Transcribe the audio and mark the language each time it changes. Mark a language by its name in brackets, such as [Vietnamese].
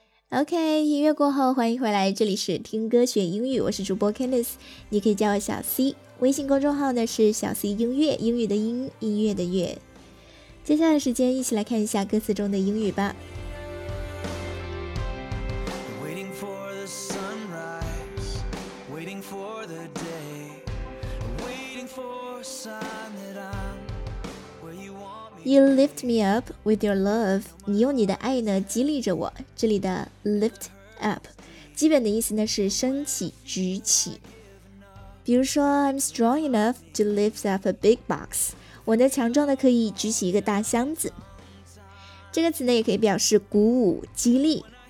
[Chinese] OK， 音乐过后欢迎回来，这里是听歌学英语，我是主播 Candice， 你可以叫我小 C， 微信公众号呢是小 C 音乐，英语的音，音乐的乐。接下来的时间一起来看一下歌词中的英语吧。 [English] Waiting for the sunrise, waiting for the day, waiting for sun that I'm where you want. You lift me up with your love. [Chinese] 你用你的爱呢激励着我。这里的 lift up 基本的意思呢是升起、举起。比如说 [English] I'm strong enough to lift up a big box. [Chinese] 我呢强壮的可以举起一个大箱子。这个词呢也可以表示鼓舞、激励。